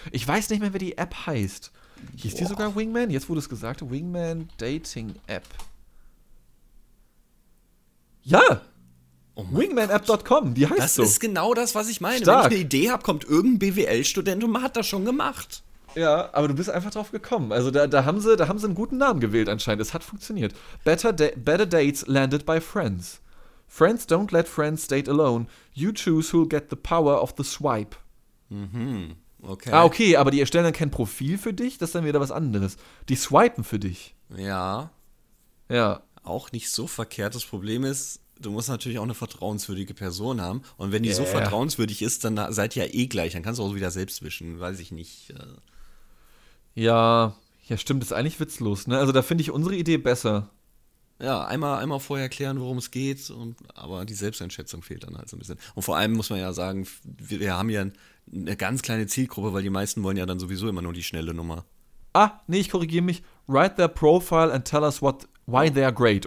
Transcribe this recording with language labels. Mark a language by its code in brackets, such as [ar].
[de] Ich weiß nicht mehr, wie die App heißt. Hieß die sogar Wingman? Jetzt, wo du es gesagt hast, Wingman Dating App. Ja, wingmanapp.com, die heißt so. Das ist genau das, was ich meine. Stark. Wenn ich eine Idee habe, kommt irgendein BWL-Student und man hat das schon gemacht. Ja, aber du bist einfach drauf gekommen. Also da haben sie einen guten Namen gewählt anscheinend. Es hat funktioniert. [en] Better dates landed by friends. Friends don't let friends date alone. You choose who'll get the power of the swipe. Mhm, okay. [de] Ah, okay, aber die erstellen dann kein Profil für dich? Das ist dann wieder was anderes. Die swipen für dich. Ja. Ja. Auch nicht so verkehrt. Das Problem ist, du musst natürlich auch eine vertrauenswürdige Person haben. Und wenn die so vertrauenswürdig ist, dann seid ihr ja eh gleich. Dann kannst du auch wieder selbst wischen. Weiß ich nicht. Ja, stimmt. Das ist eigentlich witzlos, ne? Also da finde ich unsere Idee besser. Ja, einmal vorher klären, worum es geht. Aber die Selbsteinschätzung fehlt dann halt so ein bisschen. Und vor allem muss man ja sagen, wir haben ja eine ganz kleine Zielgruppe, weil die meisten wollen ja dann sowieso immer nur die schnelle Nummer. Ah, nee, ich korrigiere mich. [en] Write their profile and tell us why they are great.